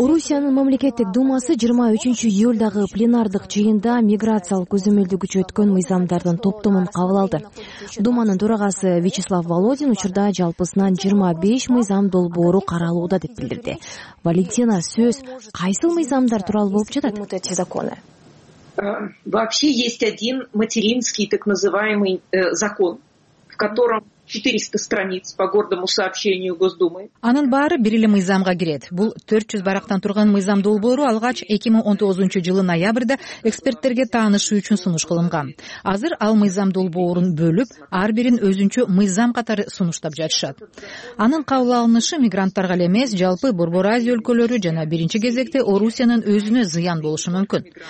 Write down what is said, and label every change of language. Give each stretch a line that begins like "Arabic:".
Kyrgyz: Орусиянын мамлекеттик думасы 23 июлдагы пленардык жыйында миграциялык көзөмөлдү күчөткөн мыйзамдардын топтомун кабыл алды. Думанын төрагасы Вячеслав Володин учурда жалпысынан 25 мыйзам долбоору каралууда деп билдирди. Валентина, сөз кайсыл мыйзамдар тууралуу болуп жатат?
Russian: Эти законы. Вообще есть один материнский так называемый закон, в котором 400 страниц по гордому сообщению Госдумы.
Kyrgyz: Анын баары бир эле мыйзамга кирет. Бул 400 барактан турган мыйзам долбоору алгач 2019 жылы ноябрда эксперттерге таанышуу үчүн сунуш кылынган. Азыр ал мыйзам долбоорун бөлүп, ар бирин өзүнчө мыйзам катары сунуштап жатышат. Анын кабыл алынышы мигранттарга эле эмес, жалпы Борбор Азия өлкөлөрү жана биринчи кезекте Орусиянын өзүнө зыян болушу мүмкүн.